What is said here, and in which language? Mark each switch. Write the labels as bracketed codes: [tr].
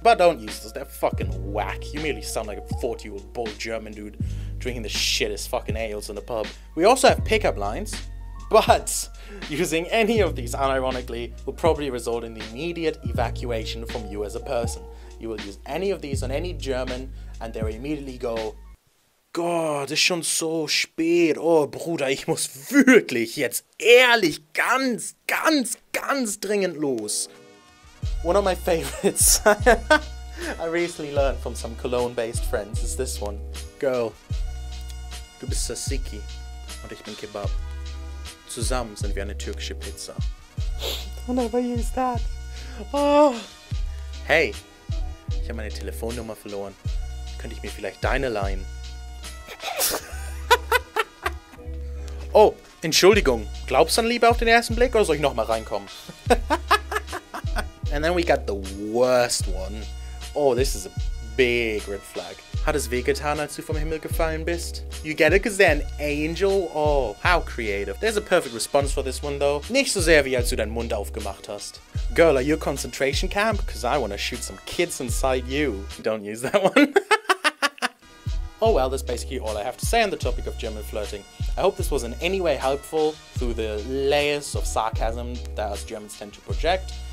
[en] But don't use those, they're fucking whack. You merely sound like a 40-year-old bald German dude drinking the shittest fucking ales in the pub. We also have pickup lines, but using any of these unironically will probably result in the immediate evacuation from you as a person. You will use any of these on any German and they will immediately go, God, it's [de] schon so spät. Oh, Bruder, ich muss wirklich jetzt ehrlich ganz, ganz, ganz dringend los. [en] One of my favorites I recently learned from some Cologne-based friends is this one. [de] Girl, du bist Tzatziki und ich bin Kebab. Zusammen sind wir eine türkische Pizza. [en] Don't ever use that. [de] Hey, ich habe meine Telefonnummer verloren. Könnte ich mir vielleicht deine leihen? Oh, Entschuldigung. Glaubst du an Liebe auf den ersten Blick oder soll ich nochmal reinkommen? [en] And then we got the worst one. Oh, this is a big red flag. [de] Hat es wehgetan, als du vom Himmel gefallen bist? [en] You get it, because they're an angel? Oh, how creative. There's a perfect response for this one, though. [de] Nicht so sehr, wie als du deinen Mund aufgemacht hast. [en] Girl, are you a concentration camp? Because I want to shoot some kids inside you. Don't use that one. Oh well, that's basically all I have to say on the topic of German flirting. I hope this was in any way helpful through the layers of sarcasm that us Germans tend to project.